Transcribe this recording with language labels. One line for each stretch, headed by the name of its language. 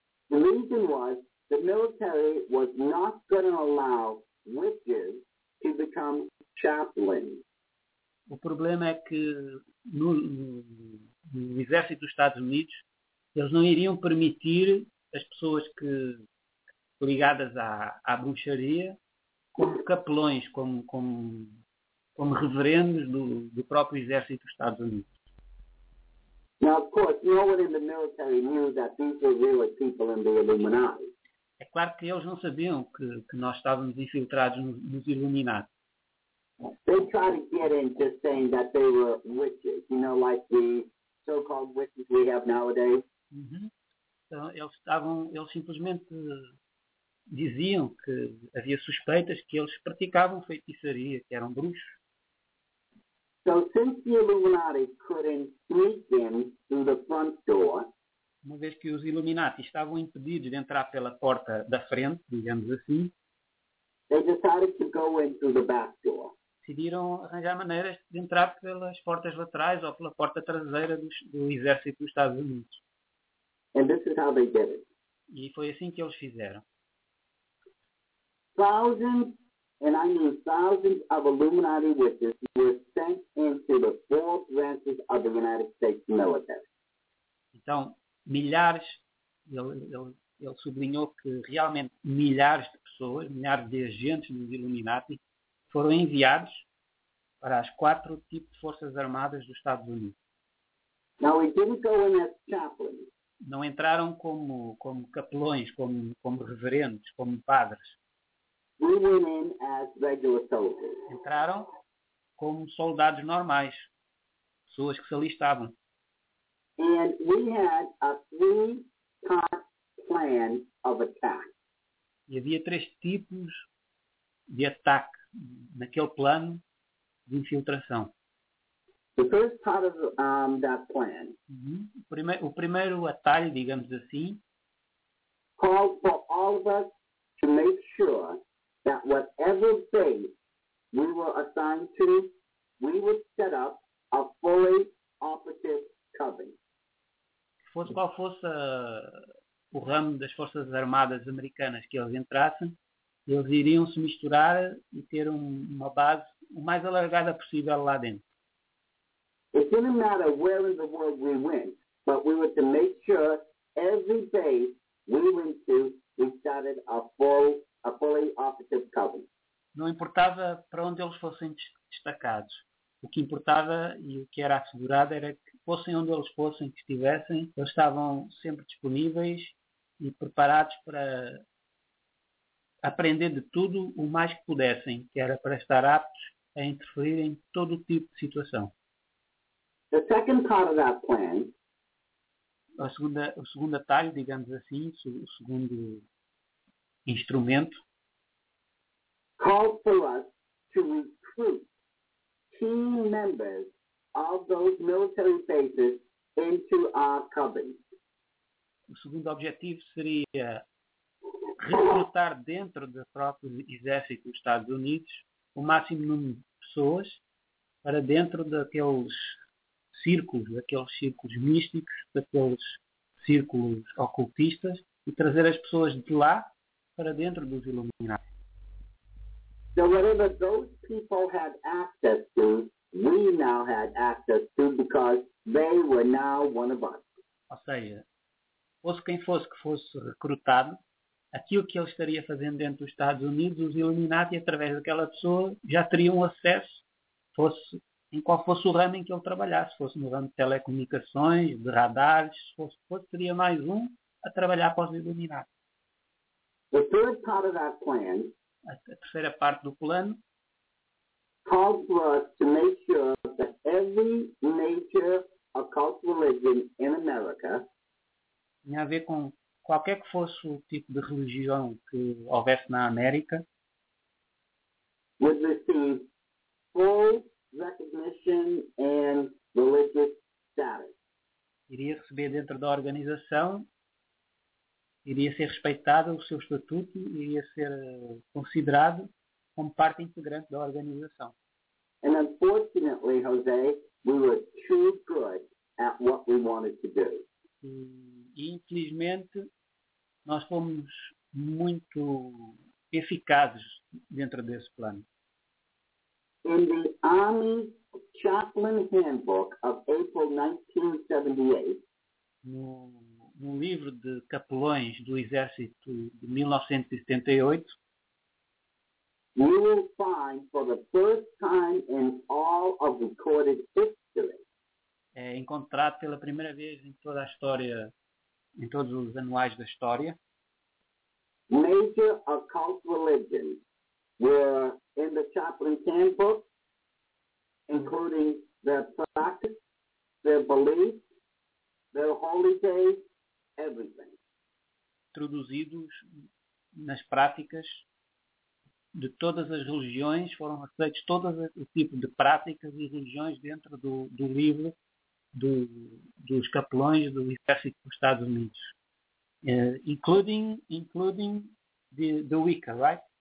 English: The reason was the military was not going to allow witches to become chaplains.
Portuguese: O problema é que no exército dos Estados Unidos eles não iriam permitir as pessoas que ligadas à bruxaria, como capelões, como reverendos do próprio exército dos Estados Unidos.
English: Now, of course, no one in the military knew that these were real people in the Illuminati.
Portuguese: É claro que eles não sabiam que nós estávamos infiltrados nos Illuminati.
English: They tried to get in just saying that they were witches, you know, like the so-called witches we have nowadays.
Portuguese: Então, eles simplesmente diziam que havia suspeitas que eles praticavam feitiçaria, que eram bruxos.
English: So, since the Illuminati couldn't sneak in through the front door,
Portuguese: uma vez que os Illuminati estavam impedidos de entrar pela porta da frente, digamos assim,
English: they decided to go in through the back door.
Portuguese: Decidiram arranjar maneiras de entrar pelas portas laterais ou pela porta traseira do exército dos Estados Unidos.
English: And this is how they did it.
Portuguese: E foi assim que eles fizeram.
English: Thousands, and I mean thousands of Illuminati witches were sent into the 4 branches of the United States military.
Portuguese: Então, milhares, ele sublinhou que realmente milhares de pessoas. pessoas, milhares de agentes dos Illuminati, foram enviados para as quatro tipos de forças armadas dos Estados Unidos.
English: Now, it didn't go in as chaplains.
Portuguese: Não entraram como capelões, como reverendos, como padres.
English: We went in as regular soldiers.
Portuguese: Entraram como soldados normais, pessoas que se alistavam.
English: And we had a three-part plan of attack.
Portuguese: E havia três tipos de ataque naquele plano de infiltração.
English: The first part of that plan.
Portuguese: O primeiro atalho, digamos assim,
English: called for all of us to make sure that whatever base we were assigned to, we would set up a fully operative covering.
Portuguese: Fosse qual fosse o ramo das Forças Armadas Americanas que eles entrassem, eles iriam se misturar e ter uma base o mais alargada possível lá dentro.
English: It didn't matter where in the world we went, but we were to make sure every base we went to, we started a fully operative cover.
Portuguese: Não importava para onde eles fossem destacados. O que importava e o que era assegurado era que fossem onde eles fossem, que estivessem, eles estavam sempre disponíveis e preparados para aprender de tudo o mais que pudessem, que era para estar aptos a interferir em todo tipo de situação.
English: The second part of that plan,
Portuguese: o segundo atalho, digamos assim, o segundo instrumento,
English: called for us to recruit key members of those military bases into our coven.
Portuguese: O segundo objetivo seria recrutar dentro do próprio exército dos Estados Unidos o máximo número de pessoas para dentro daqueles círculos místicos, daqueles círculos ocultistas, e trazer as pessoas de lá para dentro dos Illuminati.
English: So whatever those people had access to, we now had access to because they were now one of us.
Portuguese: Ou seja, fosse quem fosse que fosse recrutado, aquilo que ele estaria fazendo dentro dos Estados Unidos, os Illuminati, através daquela pessoa, já teriam acesso, fosse em qual fosse o ramo em que ele trabalhasse, fosse no ramo de telecomunicações, de radares, fosse seria mais um a trabalhar para os Illuminati.
English: The third part of that plan,
Portuguese: a terceira parte do plano,
English: called for us to make sure that every major occult religion in America,
Portuguese: tinha a ver com qualquer que fosse o tipo de religião que houvesse na América,
English: would receive full recognition and religious status.
Portuguese: Iria receber dentro da organização, iria ser respeitado o seu estatuto, iria ser considerado como parte integrante da organização.
English: And unfortunately, Jose, we were too good at what we wanted to do.
Portuguese: E infelizmente, nós fomos muito eficazes dentro desse plano.
English: In the Army Chaplain Handbook of April 1978,
Portuguese: no livro de capelões do Exército de 1978,
English: you will find for the first time in all of recorded history,
Portuguese: é encontrado pela primeira vez em toda a história, em todos os anuais da história,
English: major occult religions were in the Chaplain's Handbook, including their practice, their beliefs, their holy days, everything.
Portuguese: Traduzidos nas práticas de todas as religiões, foram aceitos todos os tipos de práticas e religiões dentro do livro dos capelões do Exército dos Estados Unidos.
English: Including the Wicca, right?